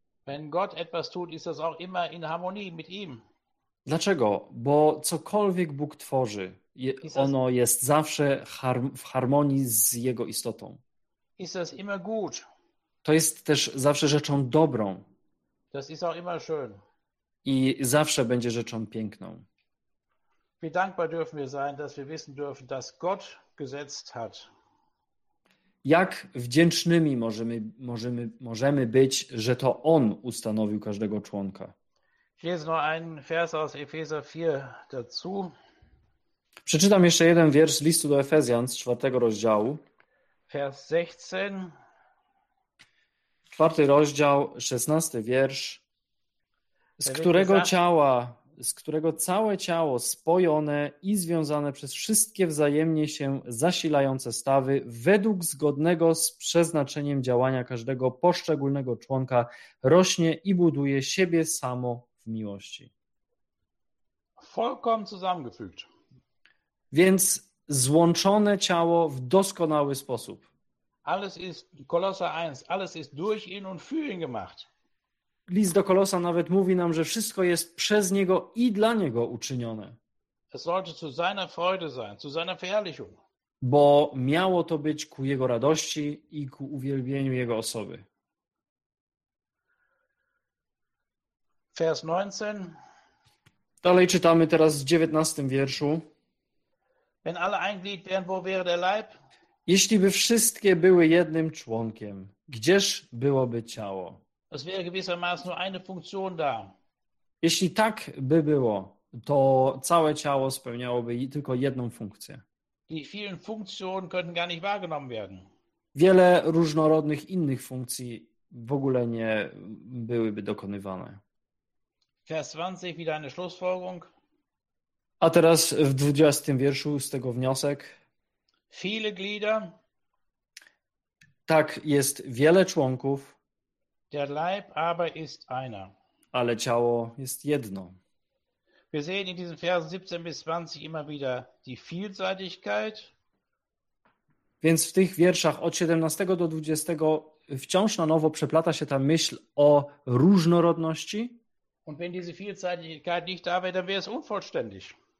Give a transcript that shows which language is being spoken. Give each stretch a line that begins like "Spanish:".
German: Wenn Gott etwas tut, ist das auch immer in Harmonie mit ihm.
Polish: Dlaczego? Bo cokolwiek Bóg tworzy, ono jest zawsze w harmonii z jego istotą.
German: Ist das immer gut?
Polish: To jest też zawsze rzeczą dobrą.
German: Das ist auch immer schön.
Polish: I zawsze będzie rzeczą piękną.
German: Wie dankbar dürfen wir sein, dass wir wissen dürfen, dass Gott gesetzt hat.
Polish: Jak wdzięcznymi możemy być, że to On ustanowił każdego członka.
German: Ich lese noch einen Vers aus Epheser 4 dazu.
Polish: Przeczytam jeszcze jeden wiersz z listu do Efezjan z 4 rozdziału.
German: Vers 16.
Polish: 4 rozdział, 16 wiersz. Z którego ciała, z którego całe ciało spojone i związane przez wszystkie wzajemnie się zasilające stawy, według zgodnego z przeznaczeniem działania każdego poszczególnego członka, rośnie i buduje siebie samo w miłości.
German: Vollkommen zusammengefügt.
Polish: Więc złączone ciało w doskonały sposób.
German: Alles ist Kolosser 1, alles ist durch ihn und für ihn gemacht.
Polish: List do Kolosa nawet mówi nam, że wszystko jest przez Niego i dla Niego uczynione.
German: Es sollte zu seiner Freude sein, zu seiner Verherrlichung.
Polish: Bo miało to być ku Jego radości i ku uwielbieniu Jego osoby.
German: Vers 19.
Polish: Dalej czytamy teraz w 19 wierszu.
German: Wenn alle ein Glied wären, wo wäre der Leib?
Polish: Jeśli by wszystkie były jednym członkiem, gdzież byłoby ciało?
German: Es wäre gewissermaßen nur eine Funktion da.
Polish: Jeśli tak by było, to całe ciało spełniałoby tylko jedną funkcję.
German: Die vielen Funktionen könnten gar nicht wahrgenommen werden.
Polish: Wiele różnorodnych innych funkcji w ogóle nie byłyby dokonywane.
German: Vers 20, wieder eine Schlussfolgerung.
Polish: A teraz w 20 wierszu z tego wniosek.
German: Viele Glieder.
Polish: Tak, jest wiele członków.
German: Der Leib aber ist einer.
Polish: Ale ciało jest jedno.
German: Wir sehen in diesen Versen 17 bis 20 immer wieder die Vielseitigkeit.
Polish: Więc w tych wierszach od 17 do 20 wciąż na nowo przeplata się ta myśl o różnorodności.
German: Und wenn diese Vielseitigkeit nicht da wäre, dann wäre es unvollständig.